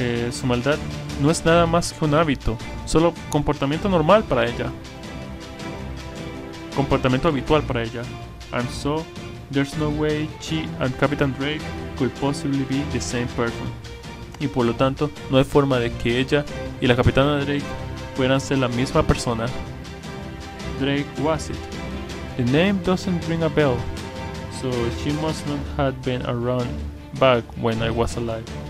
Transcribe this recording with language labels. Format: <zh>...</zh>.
<es>Su maldad no es nada más que un hábito, solo comportamiento normal para ella. Comportamiento habitual para ella.</es> <en>And so, there's no way she and Captain Drake could possibly be the same person.</en> <es>Y por lo tanto, no hay forma de que ella y la Capitana Drake fueran ser la misma persona.</es> <en>Drake was it. The name doesn't ring a bell, so she must not have been around back when I was alive.</en>